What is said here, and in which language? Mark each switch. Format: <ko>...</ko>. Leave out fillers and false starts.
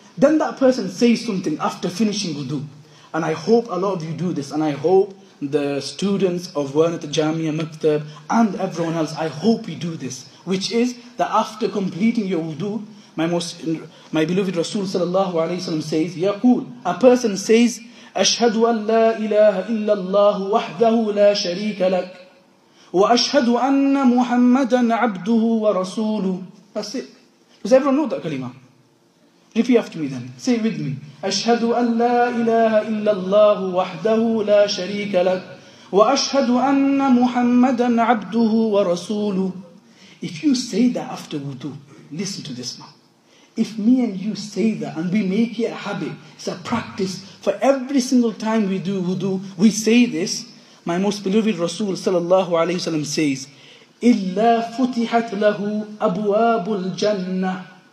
<en>Then that person says something after finishing wudu. And I hope a lot of you do this, and I hope the students of Wernat Jamia Maktab and everyone else, I hope you do this, which is that after completing your wudu, my beloved Rasul sallallahu alayhi wa sallam says, Yaqul, a person says, Ashhadu an la ilaha illallahu wahdahu la sharika lak, wa ashhadu anna muhammadan abduhu wa rasulu. That's it. Does everyone know that kalima? Repeat after me then. Say it with me.</en> <ar>أشهد أن لا إله إلا الله وحده لا شريك لك وأشهد أن محمدا عبده ورسوله.</ar> <en>If you say that after wudu, listen to this now. If me and you say that and we make it a habit, it's a practice for every single time we do wudu, we say this, my most beloved Rasul sallallahu alayhi wa sallam says,</en> <ar>إِلَّا فُتِحَتْ لَهُ أَبْوَابُ الْجَنَّةِ.</ar>